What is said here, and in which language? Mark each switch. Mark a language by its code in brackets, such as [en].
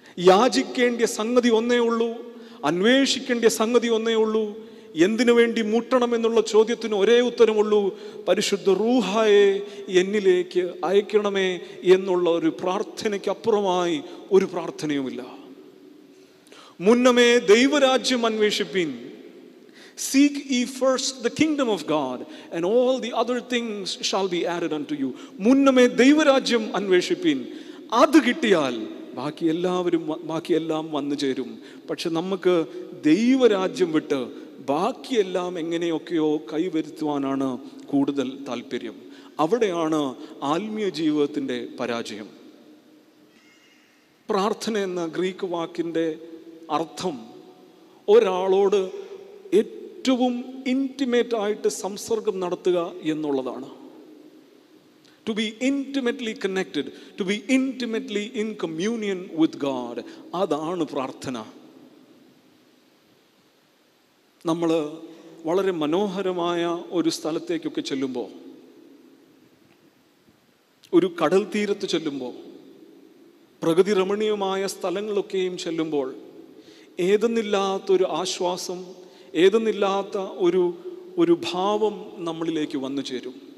[ml] യാചിക്കേണ്ട സംഗതി ഒന്നേ ഉള്ളൂ. അന്വേഷിക്കേണ്ട സംഗതി ഒന്നേ ഉള്ളൂ. എന്തിനു വേണ്ടി മുട്ടണം എന്നുള്ള ചോദ്യത്തിന് ഒരേ ഉത്തരമുള്ളൂ, പരിശുദ്ധ റൂഹായെ എന്നിലേക്ക് അയക്കണമേ എന്നുള്ള ഒരു പ്രാർത്ഥനയ്ക്കപ്പുറമായി ഒരു പ്രാർത്ഥനയുമില്ല. മുന്നമേ ദൈവരാജ്യം അന്വേഷിപ്പീൻ. [en] Seek ye first the kingdom of God and all the other things shall be added unto you. [ml] മുന്നമേ ദൈവരാജ്യം അന്വേഷിപ്പീൻ, അത് കിട്ടിയാൽ ബാക്കിയെല്ലാം വന്നു ചേരും. പക്ഷെ നമുക്ക് ദൈവരാജ്യം വിട്ട് ബാക്കിയെല്ലാം എങ്ങനെയൊക്കെയോ കൈവരുത്തുവാനാണ് കൂടുതൽ താല്പര്യം. അവിടെയാണ് ആത്മീയ ജീവിതത്തിൻ്റെ പരാജയം. പ്രാർത്ഥന എന്ന ഗ്രീക്ക് വാക്കിൻ്റെ അർത്ഥം ഒരാളോട് ഏറ്റവും ഇൻറ്റിമേറ്റ് ആയിട്ട് സംസർഗം നടത്തുക എന്നുള്ളതാണ്. [en] To be intimately connected, to be intimately in communion with God. [ml] അതാണ് പ്രാർത്ഥന. നമ്മൾ വളരെ മനോഹരമായ ഒരു സ്ഥലത്തേക്കൊക്കെ ചെല്ലുമ്പോൾ, ഒരു കടൽ തീരത്ത് ചെല്ലുമ്പോൾ, പ്രകൃതി രമണീയമായ സ്ഥലങ്ങളൊക്കെയും ചെല്ലുമ്പോൾ ഏതെന്നില്ലാത്തൊരു ആശ്വാസം, ഏതെന്നില്ലാത്ത ഒരു ഭാവം നമ്മളിലേക്ക് വന്നു ചേരും.